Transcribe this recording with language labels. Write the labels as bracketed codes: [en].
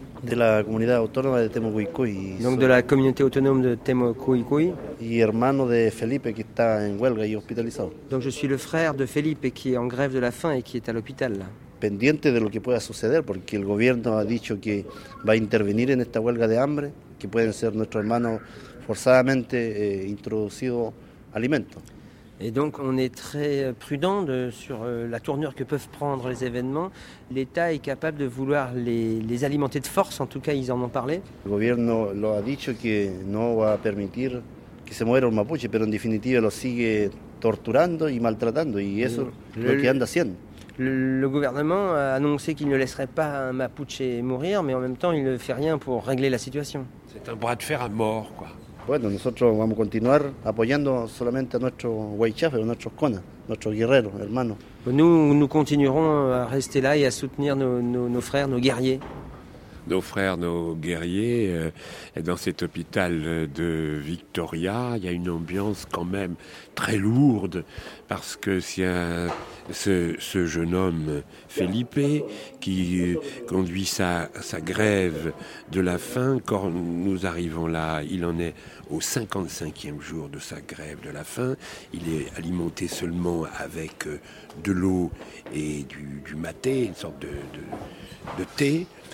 [es] De la comunidad autónoma de Temucuicui. [fr] Donc de la communauté autonome de Temucuicui. [es] Y hermano de Felipe qui está en huelga y hospitalizado. [fr] Donc je suis le frère de Felipe qui est en grève de la faim et qui est à l'hôpital. [es] Pendiente de lo que pueda suceder, porque el gobierno ha dicho que va a intervenir en esta huelga de hambre, que pueden ser nuestros hermanos forzadamente introducidos alimentos. [fr] Et donc on est très prudent sur la tournure que peuvent prendre les événements. L'État est capable de vouloir les alimenter de force, en tout cas ils en ont parlé. Le gouvernement [es] lo ha dicho que no va a permitir que se muera un mapuche, pero en definitiva lo sigue torturando y maltratando y eso lo que anda haciendo. [fr] Le gouvernement a annoncé qu'il ne laisserait pas un mapuche mourir, mais en même temps il ne fait rien pour régler la situation. C'est un bras de fer à mort, quoi. [es] Bueno, nosotros vamos a continuar apoyando solamente a nuestros huaychafes, a nuestros conas, nuestros guerreros, hermanos. [fr] Nous continuerons à rester là et à soutenir nos frères, nos guerriers. Nos frères, nos guerriers, dans cet hôpital de Victoria, il y a une ambiance quand même très lourde, parce que ce jeune homme, Felipe, qui conduit sa grève de la faim, quand nous arrivons là, il en est au 55e jour de sa grève de la faim, il est alimenté seulement avec de l'eau et du maté, une sorte de thé.